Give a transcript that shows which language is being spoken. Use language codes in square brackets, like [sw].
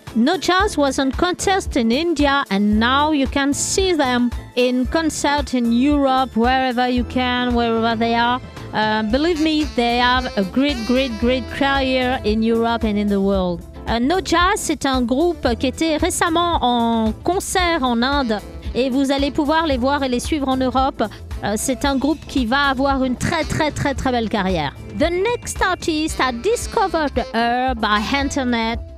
[en] Nojazz was on contest in India and now you can see them in concert in Europe, wherever you can, wherever they are. Believe me, they have a great career in Europe and in the world. [fr] Nojazz, c'est un groupe qui était récemment en concert en Inde et vous allez pouvoir les voir et les suivre en Europe. C'est un groupe qui va avoir une très belle carrière. [en] The next artist, I discovered her by internet.